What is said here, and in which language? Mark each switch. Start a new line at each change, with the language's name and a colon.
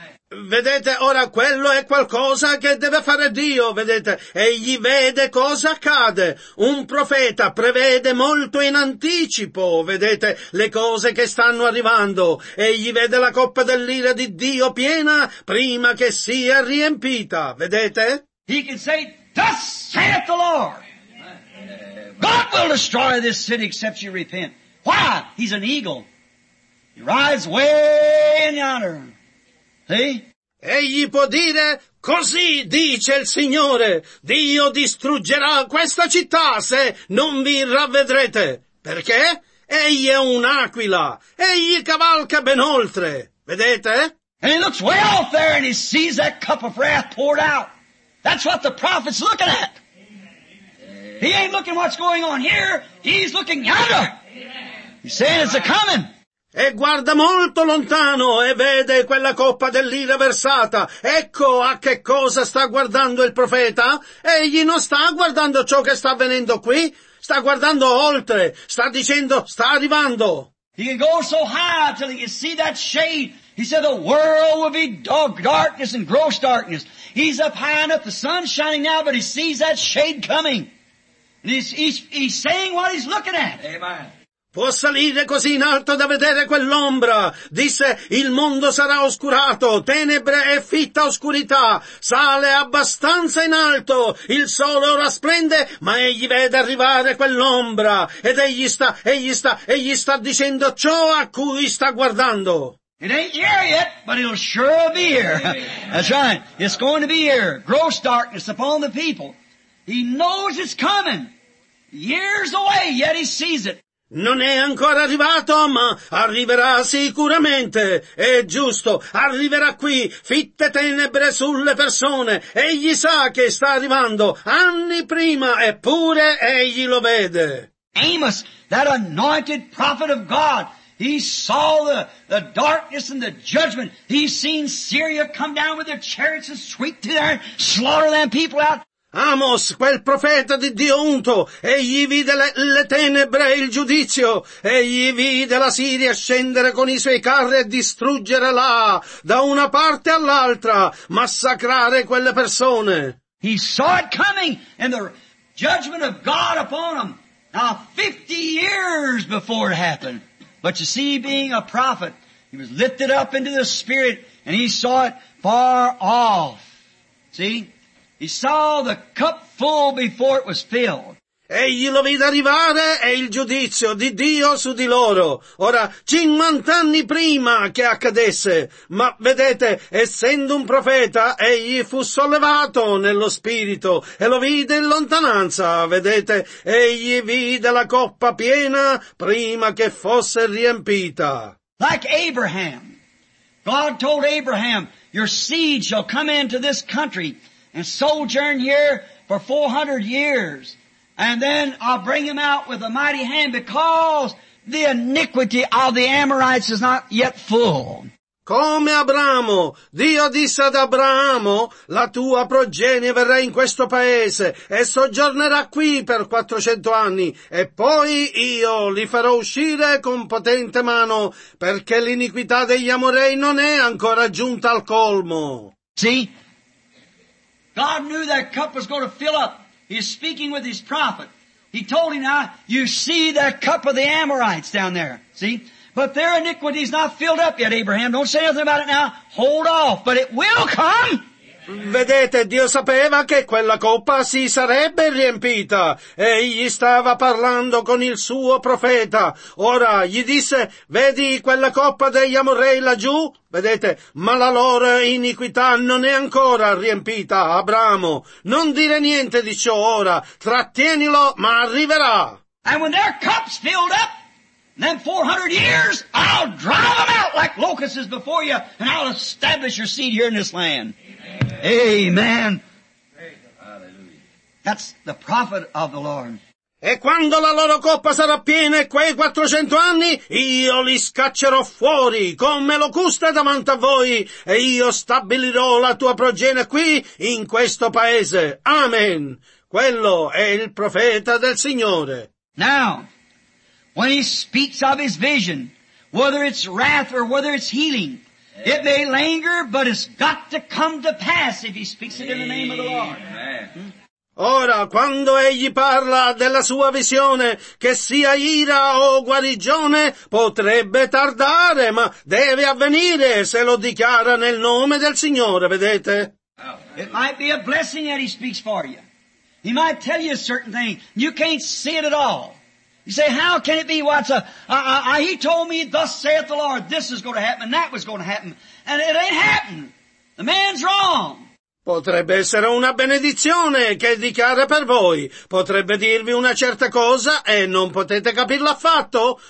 Italian: Vedete, ora quello è qualcosa che deve fare Dio, vedete, egli vede cosa accade, un profeta prevede molto in anticipo, vedete, le cose che stanno arrivando, egli vede la coppa dell'ira di Dio piena prima che sia riempita, vedete?
English: He can say, thus saith the Lord, God will destroy this city except you repent. Why? He's an eagle. He rides way in yonder. See?
Italian: Egli può dire, così dice il Signore, Dio distruggerà questa città se non vi ravvedrete. Perché? Egli è un'aquila, egli cavalca ben oltre, vedete?
English: And he looks way off there and he sees that cup of wrath poured out. That's what the prophet's looking at. Amen. He ain't looking what's going on here, he's looking yonder. He's saying it's a coming.
Italian: E guarda molto lontano e vede quella coppa dell'ira versata. Ecco a che cosa sta guardando il profeta. Egli non sta guardando ciò che sta avvenendo qui. Sta guardando oltre. Sta dicendo, sta arrivando.
English: He can go so high till he can see that shade. He said the world will be dark, darkness and gross darkness. He's up high enough, the sun's shining now, but he sees that shade coming. And he's saying what he's looking at. Amen.
Italian: Può salire così in alto da vedere quell'ombra. Disse, il mondo sarà oscurato, tenebre e fitta oscurità. Sale abbastanza in alto, il sole ora splende, ma egli vede arrivare quell'ombra. Ed egli sta dicendo ciò a cui sta guardando.
English: It ain't here yet, but it'll sure be here. That's right, it's going to be here. Gross darkness upon the people. He knows it's coming. Years away, yet he sees it.
Italian: Non è ancora arrivato, ma arriverà sicuramente. È giusto, arriverà qui, fitte tenebre sulle persone. Egli sa che sta arrivando, anni prima, eppure egli lo vede.
English: Amos, that anointed prophet of God, he saw the darkness and the judgment. He's seen Syria come down with their chariots and sweep to there and slaughter them people out.
Italian: Amos, quel profeta di Dio unto, egli vide le tenebre e il giudizio, egli vide la Siria scendere con i suoi carri e distruggere là, da una parte all'altra, massacrare quelle persone.
English: He saw it coming, and the judgment of God upon them, now 50 years before it happened. But you see, being a prophet, he was lifted up into the Spirit, and he saw it far off. See? He saw the cup full before it was filled.
Italian: Egli lo vide arrivare e il giudizio di Dio su di loro. Ora, 50 anni prima che accadesse. Ma vedete, essendo un profeta, egli fu sollevato nello spirito e lo vide in lontananza. Vedete, egli vide la coppa piena prima che fosse riempita.
English: Like Abraham. God told Abraham, Your seed shall come into this country and sojourn here for 400 years. And then I'll bring him out with a mighty hand because the iniquity of the Amorites is not yet full.
Italian: Come Abramo, Dio disse ad Abramo, la tua progenie verrà in questo paese e soggiornerà qui per 400 anni e poi io li farò uscire con potente mano perché l'iniquità degli Amorei non è ancora giunta al colmo.
English: See? God knew that cup was going to fill up. He's speaking with his prophet. He told him, now, you see that cup of the Amorites down there. See? But their iniquity is not filled up yet, Abraham. Don't say anything about it now. Hold off. But it will come.
Italian: Vedete, Dio sapeva che quella coppa si sarebbe riempita. Egli stava parlando con il suo profeta. Ora gli disse, vedi quella coppa degli Amorei laggiù? Vedete, ma la loro iniquità non è ancora riempita, Abramo. Non dire niente di ciò ora. Trattienilo, ma arriverà.
English: And when their cup's filled up, then 400 years, I'll drive them out like locusts before you, and I'll establish your seed here in this land. Amen. Amen. Hallelujah. That's the prophet of the Lord.
Italian: E quando la loro coppa sarà piena e quei 400 anni, io li scaccerò fuori come locusta davanti a voi, e io stabilirò la tua progenie qui, in questo paese. Amen. Quello è il profeta del Signore.
English: Now, when he speaks of his vision, whether it's wrath or whether it's healing, it may linger, but it's got to come to pass if he speaks it in the name of the Lord. Amen.
Italian: Ora, quando egli parla della sua visione, che sia ira o guarigione, potrebbe tardare, ma deve avvenire se lo dichiara nel nome del Signore, vedete?
English: It might be a blessing that he speaks for you. He might tell you a certain thing. You can't see it at all. You say, how can it be? Well, it's he told me, thus saith the Lord, this is going to happen, and that was going to happen. And it ain't happened. The man's wrong.
Italian: Potrebbe essere una benedizione che dichiara per voi. Potrebbe dirvi una certa cosa e non potete capirla affatto.